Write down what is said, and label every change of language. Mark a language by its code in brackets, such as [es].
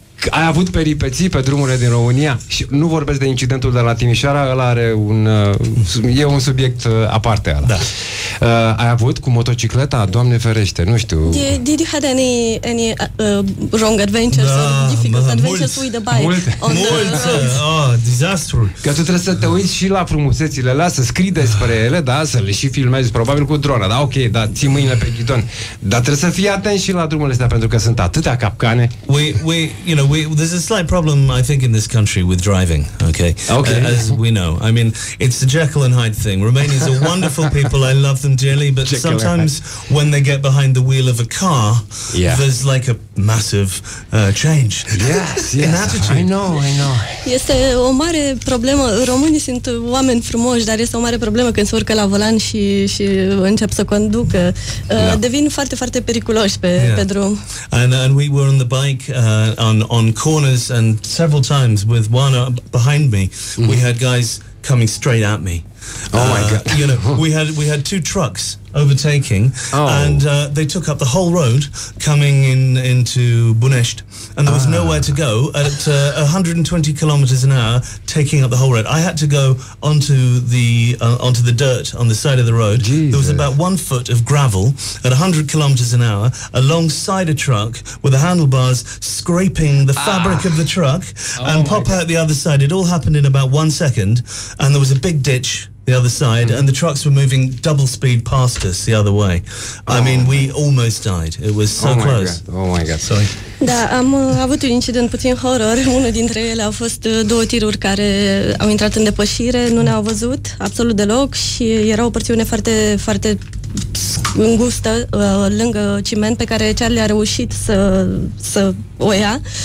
[ro] Ai avut peripeții pe drumurile din România și nu vorbesc de incidentul de la Timișoara, ăla are un subiect aparte ăla. Da. Ai avut cu motocicleta, Doamne ferește, nu știu. [en] Did you had any wrong adventures, difficult adventures with the bike? [ro] Multe. Disastrul. Că tu trebuie să te uiți și la frumusețile alea, să scrii despre ele, da, să le și filmezi, probabil cu drona, da, ok, da, ții mâinile pe ghidon. Dar trebuie să fii atent și la drumurile astea, pentru că sunt atâtea capcane. [en] There's a slight problem, I think, in this country with driving, okay? Okay. As we know. I mean, it's the Jekyll and Hyde thing. Romanians are wonderful people. I love them dearly. But Jekyll sometimes when they get behind the wheel of a car, there's like a massive change. Yes, in attitude. I know. [ro] Este o mare problemă. Românii sunt oameni frumoși, dar este o mare problemă când se urcă la volan și încep să conducă. Devin foarte, foarte periculoși pe drum. [en] And we were on the bike on corners, and several times with one behind me, we had guys coming straight at me. Oh my God! You know, we had two trucks overtaking, and they took up the whole road coming into Bunesht, and there was nowhere to go at 120 kilometers an hour, taking up the whole road. I had to go onto the dirt on the side of the road. Jesus. There was about 1 foot of gravel at 100 kilometers an hour alongside a truck with the handlebars scraping the fabric of the truck out the other side. It all happened in about 1 second, and there was a big ditch the other side, and the trucks were moving double speed past us the other way. We almost died. It was so close. Oh my God. Sorry. [ro] Da, am avut un incident puțin horror. Unul dintre ele au fost două tiruri care au intrat în depășire, nu ne-au văzut absolut deloc și era o porțiune foarte, foarte îngustă lângă ciment pe care Charlie a reușit să o ia.